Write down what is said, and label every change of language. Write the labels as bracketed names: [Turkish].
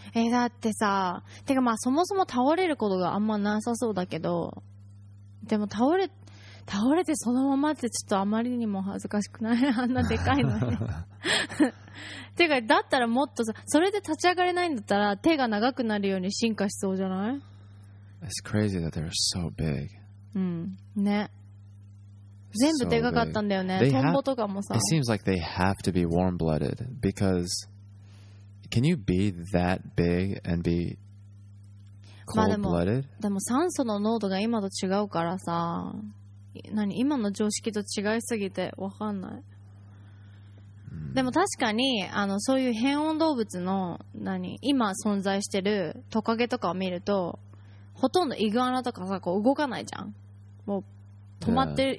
[Japanese] だってさ、てかまあそもそも倒れることがあんまなさそうだけど、でも倒れてそのままってちょっとあまりにも恥ずかしくない? あんなでかいのに。てかだったらもっとさ、それで立ち上がれないんだったら手が長くなるように進化しそうじゃない? [English] It's crazy that they're so big. [Japanese] うん、ね。全部でかかったんだよね。トンボとかもさ。 [English] It seems like they have to be warm-blooded because can you be that big and be cold-blooded? [Japanese] でも酸素の濃度が今と違うからさ、何今の常識と違いすぎてわかんない。でも確かにあのそういう変温動物の何今存在してるトカゲとかを見ると、ほとんどイグアナとかさこう動かないじゃん。もう止まってる、yeah.